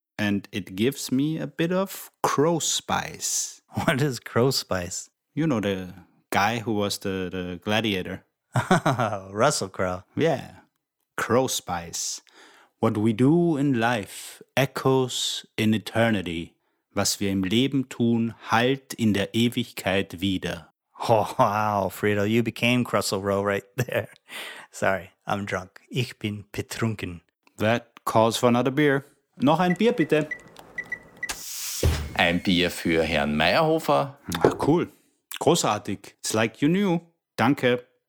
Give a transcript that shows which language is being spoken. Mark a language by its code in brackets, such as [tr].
[en] And it gives me a bit of crow spice. What is crow spice? You know, the guy who was the gladiator. Oh, Russell Crowe. Yeah. Crow spice. What we do in life echoes in eternity. [de] Was wir im Leben tun, hallt in der Ewigkeit wieder. [en] Oh, wow, Friedel, you became Russell Crowe right there. Sorry, I'm drunk. [de] Ich bin betrunken. [en] That calls for another beer. [de] Noch ein Bier, bitte. ein Bier für Herrn Meierhofer. Ach, cool. Großartig. [en] It's like you knew. [de] Danke.